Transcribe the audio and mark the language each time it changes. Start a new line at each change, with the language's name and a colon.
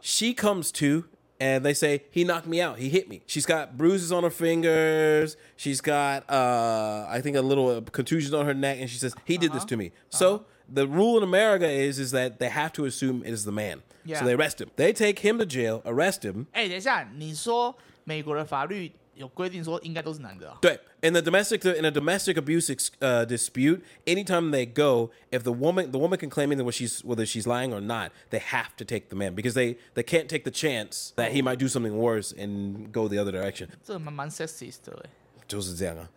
English: She comes to, and they say, he knocked me out. He hit me. She's got bruises on her fingers. She's got, I think, a little contusion on her neck. And she says, he did this to me. So the rule in America is that they have to assume it is the man. Yeah. So they arrest him. They take him to jail, arrest him.
Chinese: 欸,等一下,你说美国的法律有规定说应该都是男的哦。对。
English: In a domestic abuse dispute, anytime they go, if the woman can claim either whether she's lying or not, they have to take the man because they can't take the chance that he might do something worse and go the other direction.
Chinese: 这蛮sexist 的。就是这样啊。